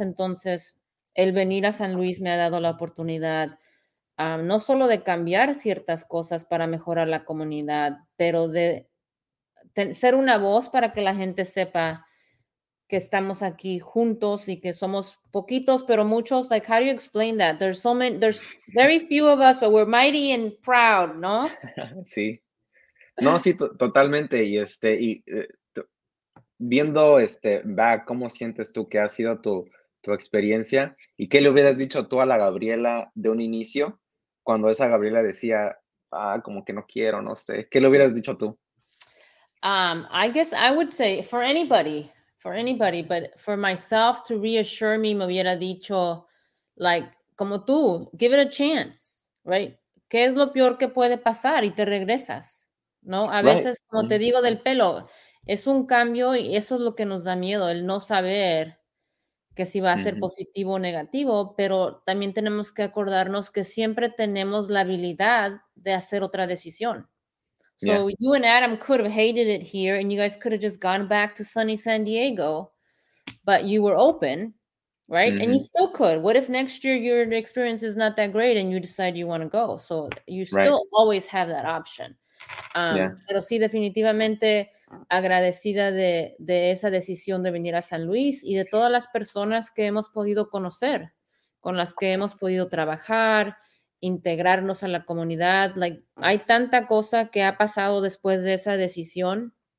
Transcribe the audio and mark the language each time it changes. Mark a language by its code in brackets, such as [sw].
[es] Entonces, el venir a San Luis me ha dado la oportunidad no solo de cambiar ciertas cosas para mejorar la comunidad, pero de ser una voz para que la gente sepa que estamos aquí juntos y que somos poquitos, pero muchos. [en] Like, how do you explain that? There's so many, there's very few of us, but we're mighty and proud, [es] ¿no? Sí. No, sí, totalmente. Y viendo [en] back, [es] ¿cómo sientes tú que ha sido tu experiencia? ¿Y qué le hubieras dicho tú a la Gabriela de un inicio? Cuando esa Gabriela decía, como que no quiero, no sé. ¿Qué le hubieras dicho tú? [en] I guess I would say for anybody, but for myself to reassure me, [es] me hubiera dicho, [en] like, [es] como tú, [en] give it a chance, right? [es] ¿Qué es lo peor que puede pasar? Y te regresas, ¿no? A veces, [en] right. [es] Como te digo, del pelo, es un cambio y eso es lo que nos da miedo, el no saber que si va a ser positivo o negativo, pero también tenemos que acordarnos que siempre tenemos la habilidad de hacer otra decisión. [en] So you and Adam could have hated it here and you guys could have just gone back to sunny San Diego, but you were open, right? And you still could. What if next year your experience is not that great and you decide you want to go? So you still always have that option. [es] Pero sí, definitivamente agradecida de esa decisión de venir a San Luis y de todas las personas que hemos podido conocer, con las que hemos podido trabajar, integrarnos a la comunidad. [en] Like, [es] hay tanta cosa que ha pasado después de esa decisión.